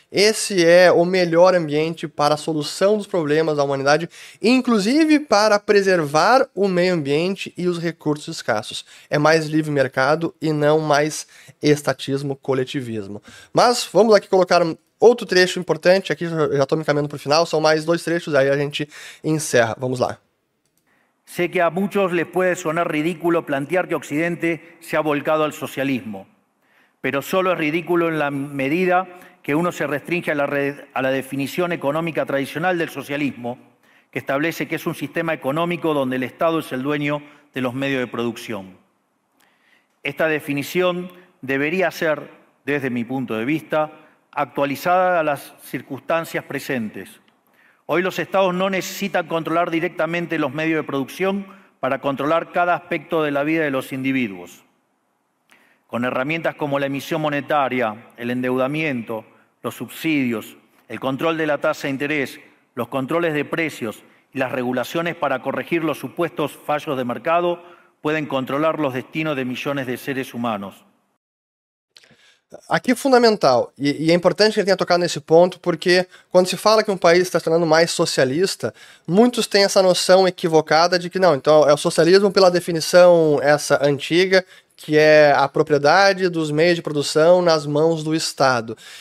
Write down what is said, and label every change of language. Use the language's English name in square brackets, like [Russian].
[Portuguese] Esse é o melhor ambiente para a solução dos problemas da humanidade, inclusive para preservar o meio ambiente e os recursos escassos. É mais livre mercado e não mais estatismo, coletivismo. Mas vamos aqui colocar outro trecho importante. Aqui já estou me caminhando para o final, são mais dois trechos, aí a gente encerra. Vamos lá. [Spanish] Sé que a muchos les puede sonar ridículo plantear que Occidente se ha volcado al socialismo, pero solo es ridículo en la medida que uno se restringe a la definición económica tradicional del socialismo, que establece que es un sistema económico donde el Estado es el dueño de los medios de producción. Esta definición debería ser, desde mi punto de vista, actualizada a las circunstancias presentes. Hoy los estados no necesitan controlar directamente los medios de producción para controlar cada aspecto de la vida de los individuos. Con herramientas como la emisión monetaria, el endeudamiento, los subsidios, el control de la tasa de interés, los controles de precios y las regulaciones para corregir los supuestos fallos de mercado, pueden controlar los destinos de millones de seres humanos. [Portuguese] Aqui é fundamental, e é importante que ele tenha tocado nesse ponto, porque quando se fala que um país está se tornando mais socialista, muitos têm essa noção equivocada de que não, então é o socialismo pela definição essa antiga, que é a propriedade dos meios de produção nas mãos do Estado.